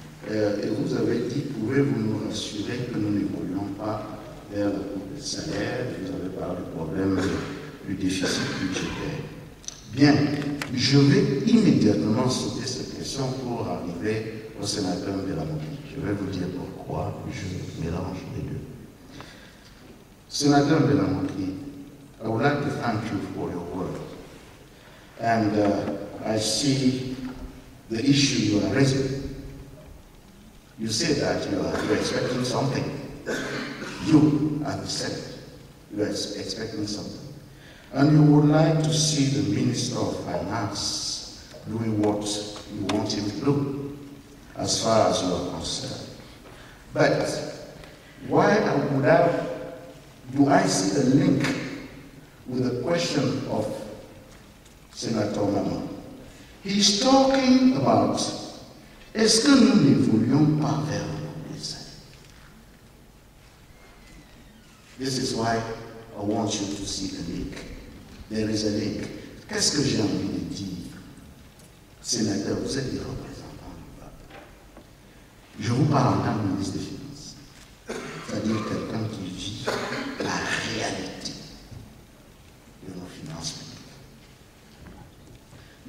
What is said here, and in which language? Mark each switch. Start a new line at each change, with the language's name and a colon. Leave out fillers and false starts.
French: Et vous avez dit, pouvez-vous nous rassurer que nous n'évoluons pas vers la coupe des salaires? Vous avez parlé du problème du déficit budgétaire. Bien, je vais immédiatement citer cette question pour arriver au sénateur Mbelamoubi. Je vais vous dire pourquoi je mélange les deux.
English: Sénateur Mbelamoubi, I would like to thank you for your work. And I see the issue you are raising. You say that you are expecting something. You are the Senate. You are expecting something. And you would like to see the Minister of Finance doing what you want him to do, as far as you are concerned. But why would I, do I see a link with the question of Senator Maman? He's talking about,
French: est-ce que nous n'évoluons pas vers le dessin?
English: This is why I want you to see a link. There is a link.
French: Qu'est-ce que j'ai envie de dire, sénateur, vous êtes des représentants? Je vous parle en tant que ministre des Finances, c'est-à-dire quelqu'un qui vit la réalité de nos finances publiques.